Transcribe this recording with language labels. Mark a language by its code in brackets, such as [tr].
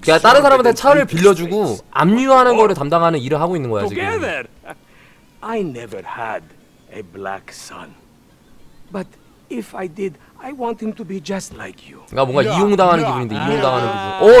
[ko] 그냥 다른 사람한테 차를 빌려주고 압류하는 거를 담당하는 일을 하고 있는 거야, 지금. [en] Together, I never had a black son. But if I did, I want him to be just like you. [ko] 그러니까 뭔가 이용당하는 기분인데, 이용당하는 기분.